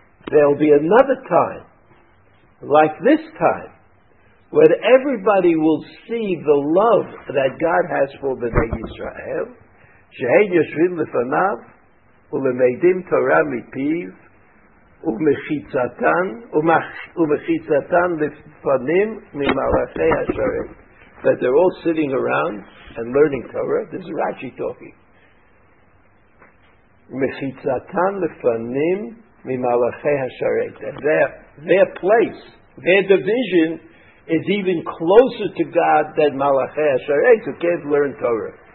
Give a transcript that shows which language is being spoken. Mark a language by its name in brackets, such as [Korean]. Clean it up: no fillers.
[English] There'll be another time, like this time, where everybody will see the love that God has for B'nai Yisrael, [Hebrew] she'ein yoshvim lefanav, ולמידים תורה מפיו, ומחיצתן לפנים ממלאכי השרים. [English] That they're all sitting around and learning Torah. This is Rashi talking. [Hebrew] ומחיצתן לפנים ממלאכי השרים. [English] Their place, their division, is even closer to God than [Hebrew] מלאכי השרים, [English] who can't learn Torah.